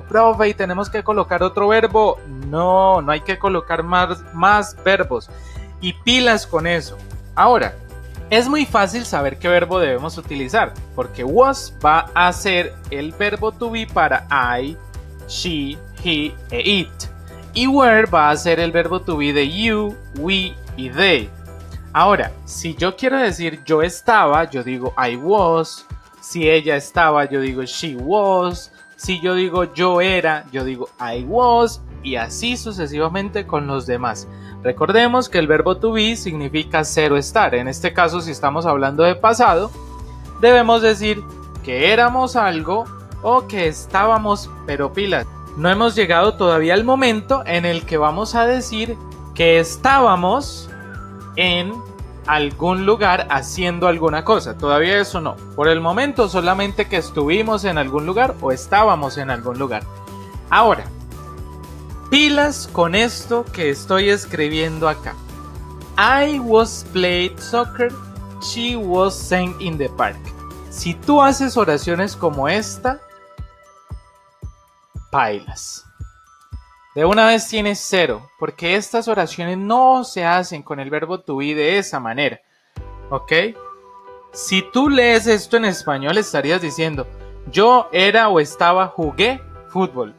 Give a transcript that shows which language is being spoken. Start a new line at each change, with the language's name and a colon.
Spanish: ¡Profe, y tenemos que colocar otro verbo! No, no hay que colocar más verbos. Y pilas con eso. Ahora, es muy fácil saber qué verbo debemos utilizar, porque was va a ser el verbo to be para I, she, he e it. Y were va a ser el verbo to be de you, we y they. Ahora, si yo quiero decir yo estaba, yo digo
English: I was.
Spanish: Si ella estaba, yo digo
English: she was.
Spanish: Si yo digo yo era, yo digo
English: I was.
Spanish: Y así sucesivamente con los demás. Recordemos que el verbo to be significa ser o estar. En este caso, si estamos hablando de pasado, debemos decir que éramos algo o que estábamos. Pero pilas, no hemos llegado todavía al momento en el que vamos a decir que estábamos en algún lugar haciendo alguna cosa. Todavía eso no. Por el momento, solamente que estuvimos en algún lugar o estábamos en algún lugar. Ahora, pilas con esto que estoy escribiendo acá.
English: I was played soccer, she was sang in the park.
Spanish: Si tú haces oraciones como esta, pailas. De una vez tienes cero, porque estas oraciones no se hacen con el verbo to be de esa manera, ¿ok? Si tú lees esto en español, estarías diciendo, yo era o estaba, jugué fútbol.